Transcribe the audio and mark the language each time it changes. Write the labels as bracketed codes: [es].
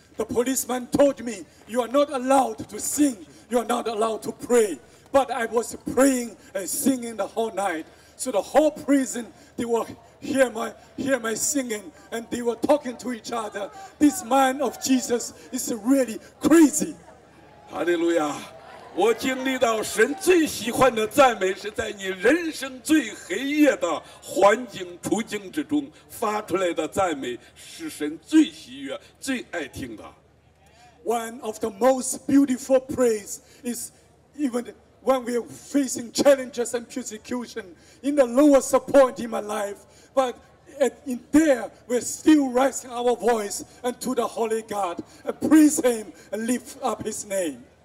[en] The policeman told me, "You are not allowed to sing. You are not allowed to pray." But I was praying and singing the whole night. So the whole prison, they will hear my singing, and they were talking to each other. This man of Jesus is really crazy. Hallelujah. [zh] 我经历到神最喜欢的赞美是在你人生最黑夜的环境处境之中发出来的赞美，是神最喜悦、最爱听的。 [en] One of the most beautiful praise is even when we are facing challenges and persecution in the lowest point in my life, but in there we're still raising our voice and to the Holy God and praise Him and lift up His name.